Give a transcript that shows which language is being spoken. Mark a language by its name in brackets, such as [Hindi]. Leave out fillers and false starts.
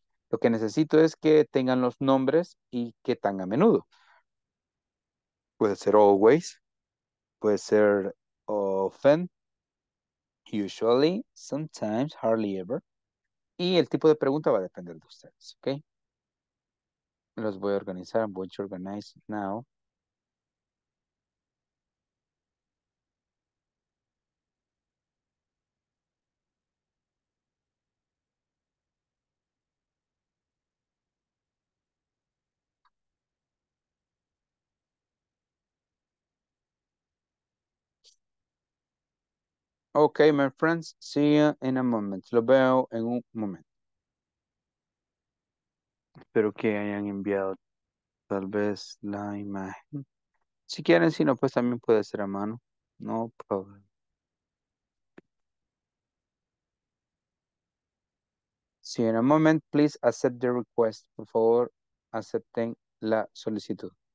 [Spanish] Lo que necesito es que tengan los nombres y que tan a menudo. Puede ser always, puede ser often, usually, sometimes, hardly ever. Y el tipo de pregunta va a depender de ustedes, ¿ok? Los voy a organizar, [English] I'm going to organize now. Okay, my friends, see you in a moment. [Spanish] Lo veo en un momento. Espero que hayan enviado tal vez la imagen. Si quieren, si no, pues también puede ser a mano. [English] No problem. See you in a moment. Please accept the request. [Spanish] Por favor, acepten la solicitud.